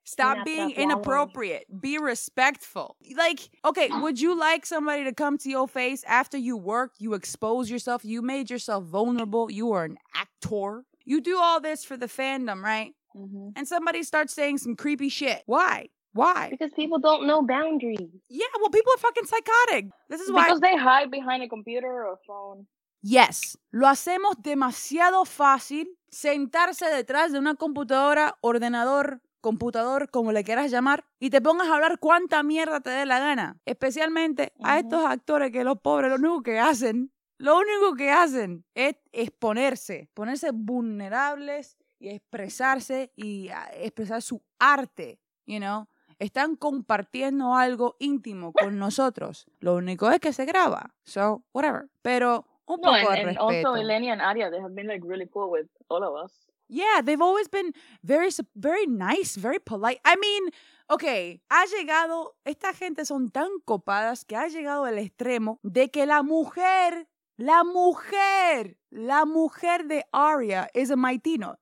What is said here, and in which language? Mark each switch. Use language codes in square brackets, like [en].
[en] Stop being inappropriate. Lying. Be respectful. Like, okay, would you like somebody to come to your face after you work, you expose yourself, you made yourself vulnerable, you are an actor? You do all this for the fandom, right? Mm-hmm. And somebody starts saying some creepy shit. Why? Because people don't know boundaries. Yeah, well, people are fucking psychotic. This is why. Because they hide behind a computer or a phone. Yes. [es] Lo hacemos demasiado fácil sentarse detrás de una computadora, ordenador, como le quieras llamar, y te pongas a hablar cuanta mierda te dé la gana. Especialmente a estos actores que los pobres, lo único que hacen es ponerse vulnerables. Y expresarse y expresar su arte, [en] you know. [es] Están compartiendo algo íntimo con nosotros. Lo único es que se graba. [en] So, whatever. [es] Pero un poco de respeto. [en] And also, Eleni and Aria, they have been like really cool with all of us. Yeah, they've always been very, very nice, very polite. I mean, okay, [es] esta gente son tan copadas que ha llegado al extremo de que La mujer de Aria [en] is a Maitino.